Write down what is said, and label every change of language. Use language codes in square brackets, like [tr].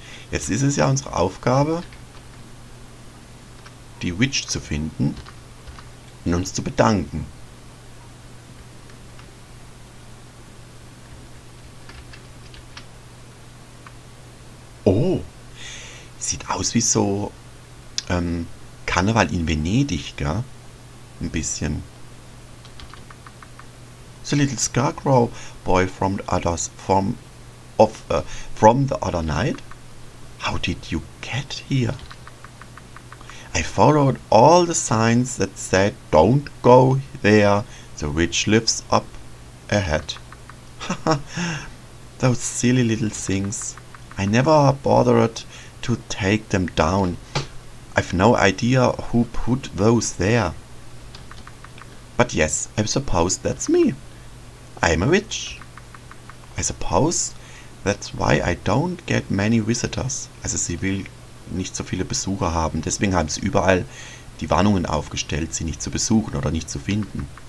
[de] Jetzt ist es ja unsere Aufgabe, die Witch zu finden und uns zu bedanken. Oh. Sieht aus wie so Karneval in Venedig, gell? Ein bisschen. [en] The little scarecrow boy from the others from the other night. How did you get here? I followed all the signs that said don't go there. The witch lives up ahead. Those silly little things. I never bothered to take them down. I've no idea who put those there. But yes, I suppose that's me. I'm a witch. I suppose that's why I don't get many visitors. [de] Also sie will nicht so viele Besucher haben. Deswegen haben sie überall die Warnungen aufgestellt, sie nicht zu besuchen oder nicht zu finden.